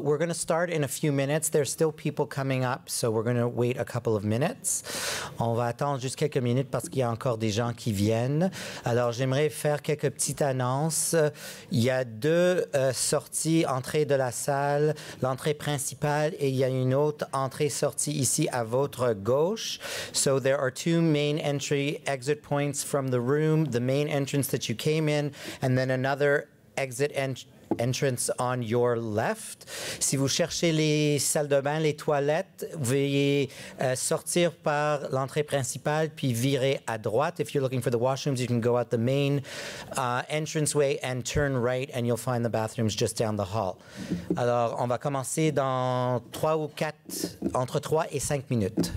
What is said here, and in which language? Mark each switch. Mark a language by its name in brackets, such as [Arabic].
[English] We're going to start in a few minutes. There's still people coming up, so we're going to wait a couple of minutes. [French] On va attendre juste quelques minutes parce qu'il y a encore des gens qui viennent. Alors, j'aimerais faire quelques petites annonces. Il y a deux sorties, entrée de la salle, l'entrée principale, et il y a une autre entrée-sortie ici à votre gauche. [English] So, there are two main entry exit points from the room, the main entrance that you came in, and then another exit entrance on your left. [French] Si vous cherchez les salles de bain, les toilettes, veuillez sortir par l'entrée principale puis virer à droite. [English] If you're looking for the washrooms, you can go out the main entranceway and turn right and you'll find the bathrooms just down the hall. [French] Alors, on va commencer dans trois ou quatre, entre trois et cinq minutes.